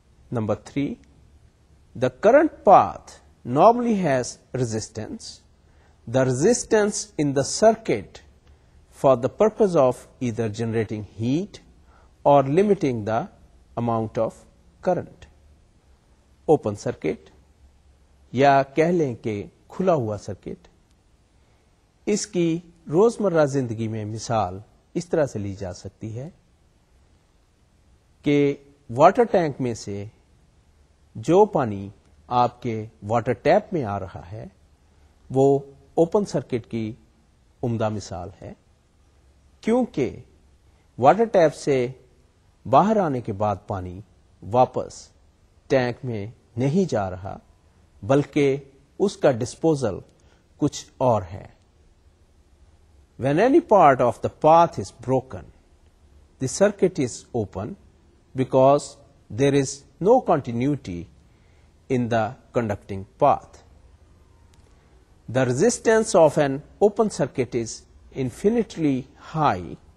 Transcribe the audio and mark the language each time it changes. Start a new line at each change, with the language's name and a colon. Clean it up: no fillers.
English: Number three, the current path normally has resistance. The resistance in the circuit for the purpose of either generating heat or limiting the amount of current.
Urdu: Open circuit یا کہہ لیں کہ کھلا ہوا circuit. اس کی روزمرہ زندگی میں مثال اس طرح سے لی جا سکتی ہے کہ واٹر ٹینک میں سے جو پانی آپ کے واٹر ٹیپ میں آ رہا ہے وہ اوپن سرکٹ کی عمدہ مثال ہے, کیونکہ واٹر ٹیپ سے باہر آنے کے بعد پانی واپس ٹینک میں نہیں جا رہا بلکہ اس کا ڈسپوزل کچھ اور ہے.
English: When any part of the path is broken, the circuit is open because there is no continuity in the conducting path. The resistance of an open circuit is infinitely high.